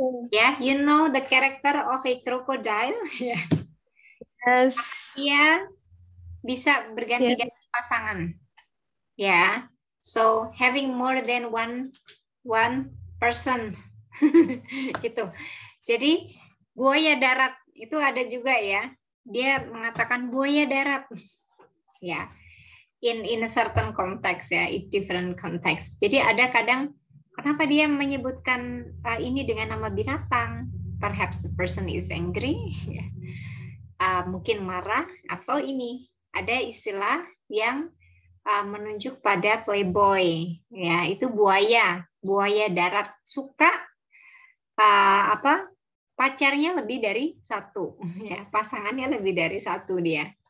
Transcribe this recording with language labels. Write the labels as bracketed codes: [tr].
[en] Yeah, you know the character of a crocodile? Yeah. Yes. [id] Dia bisa berganti-ganti yeah. pasangan. Ya. Yeah. [en] So having more than one person. [id] Gitu. Jadi buaya darat itu ada juga ya. Dia mengatakan buaya darat. Ya. Yeah. [en] In a certain context ya, in different context. [id] Jadi ada kadang kenapa dia menyebutkan ini dengan nama binatang? [en] Perhaps the person is angry. [id] mungkin marah atau ini ada istilah yang menunjuk pada playboy ya, itu buaya, buaya darat suka pacarnya lebih dari satu ya, pasangannya lebih dari satu dia.